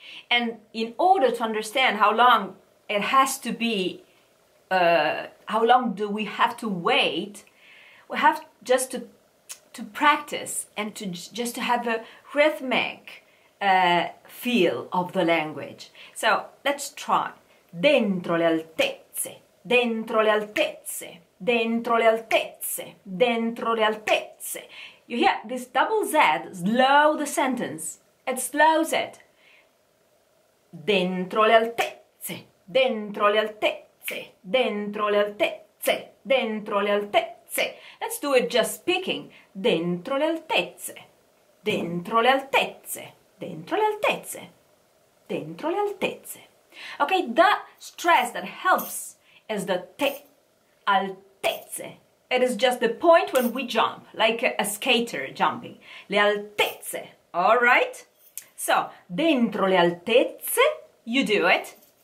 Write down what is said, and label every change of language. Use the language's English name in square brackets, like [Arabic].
[English] And in order to understand how long it has to be, how long do we have to wait, we have just to practice and to just to have a rhythmic feel of the language. So let's try. [Italian] Dentro le altezze, dentro le altezze. Dentro le altezze, dentro le altezze. [English] You hear this double Z slow the sentence. It slows it. [Italian] Dentro le altezze, dentro le altezze, dentro le altezze, dentro le altezze. [English] Let's do it just speaking. [Italian] Dentro le altezze, dentro le altezze, dentro le altezze, dentro le altezze. [English] Okay, the stress that helps is the te, altezze. It is just the point when we jump, like a skater jumping. [Italian] Le altezze, [English] all right? So, [Italian] dentro le altezze, [English] you do it.